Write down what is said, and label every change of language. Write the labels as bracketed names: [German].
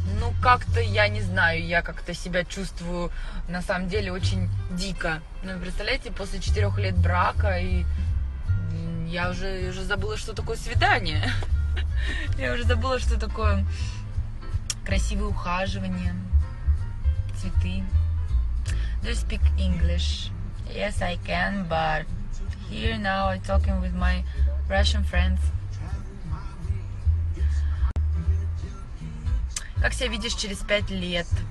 [Russian] Ну, как-то, я не знаю, я как-то себя чувствую, на самом деле, очень дико. Ну, представляете, после 4 лет брака, и я уже забыла, что такое свидание. Я уже забыла, что такое красивое ухаживание, цветы. [English] Do you speak English? Yes, I can, but here now I'm talking with my Russian friends. [Russian] Как себя видишь через 5 лет?